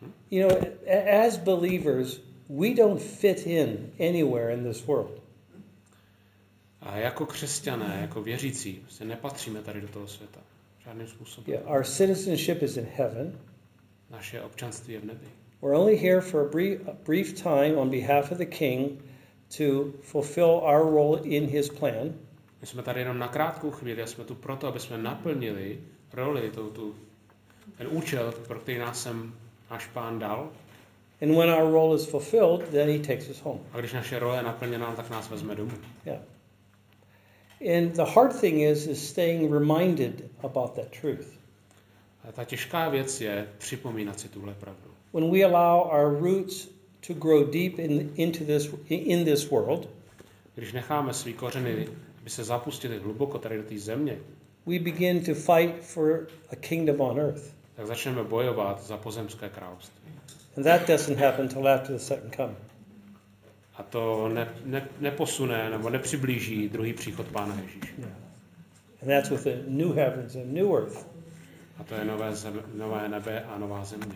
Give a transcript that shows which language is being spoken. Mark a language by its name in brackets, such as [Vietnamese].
[English] You know, as believers, we don't fit in anywhere in this world. [Czech] A jako křesťané, jako věřící, se nepatříme tady do toho světa. Žádným způsobem. [English] Yeah, our citizenship is in heaven. [Czech] Naše občanství je v nebi. [English] We're only here for a brief time on behalf of the king to fulfill our role in his plan. [Czech] My jsme tady jenom na krátkou chvíli, jsme tu proto, aby jsme naplnili roli ten účel, pro který nás sem náš pán dal. [English] And when our role is fulfilled, then he takes us home. [Czech] A když naše role je naplněna, tak nás vezme domů. Yeah. [English] And the hard thing is staying reminded about that truth. [Czech] A ta těžká věc je připomínat si tuhle pravdu. [English] When we allow our roots to grow deep into this world, [Czech] když necháme své kořeny, aby se zapustily hluboko tady do té země, [English] we begin to fight for a kingdom on earth. [Czech] Tak začneme bojovat za pozemské království. [English] And that doesn't happen till after the second coming. [Czech] A to neposune nebo nepřiblíží druhý příchod Pána Ježíše. Yeah. [English] And that's with a new heavens and new earth. [Czech] A to je nové nebe a nová země.